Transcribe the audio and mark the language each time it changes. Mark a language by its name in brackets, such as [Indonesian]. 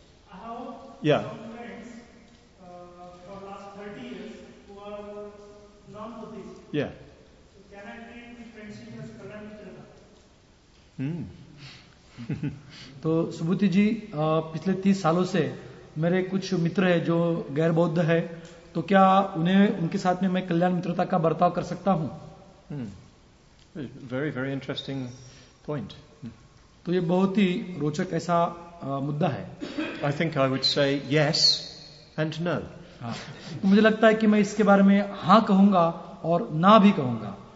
[English] I have some friends for the last 30 years who are non-Buddhist. Yeah. So can I treat the friendship as Kalyanamitra? [Hindi] तो सुबुद्धि जी पिछले 30 सालों से मेरे कुछ मित्र हैं जो गैर बौद्ध है तो क्या उन्हें उनके साथ में मैं कल्याण मित्रता का बर्ताव कर सकता हूँ? [English] Very, very interesting point. [Hindi] तो ये बहुत ही रोचक ऐसा मुद्दा है. [English] I think I would say yes and no. [Hindi] तो मुझे लगता है कि मैं इसके बारे में हाँ कहूंगा और ना भी कहूंगा.